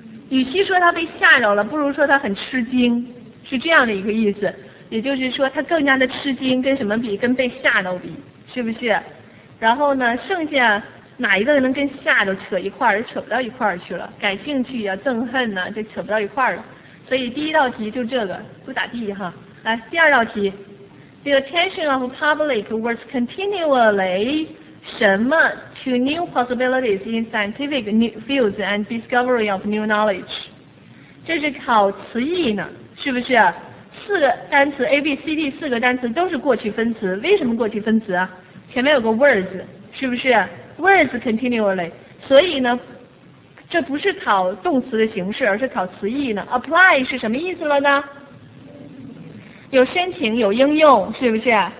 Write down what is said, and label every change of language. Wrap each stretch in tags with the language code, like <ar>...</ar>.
<zh>与其说他被吓着了，不如说他很吃惊，是这样的一个意思。也就是说他更加的吃惊，跟什么比？跟被吓着比，是不是？然后呢，剩下哪一个能跟吓着扯一块儿？扯不到一块儿去了，感兴趣啊，憎恨啊，就扯不到一块儿了。所以第一道题就这个，不咋地哈。来，第二道题，</zh> <en>The attention of public was continually</en> <zh>什么</zh> <en>to new possibilities in scientific fields and discovery of new knowledge。</en> <zh>这是考词义呢，是不是？四个单词 ABCD 四个单词都是过去分词，为什么过去分词啊？前面有个 was， 是不是？was continually， 所以呢这不是考动词的形式，而是考词义呢。 apply 是什么意思了呢？有申请，有应用，是不是？</zh>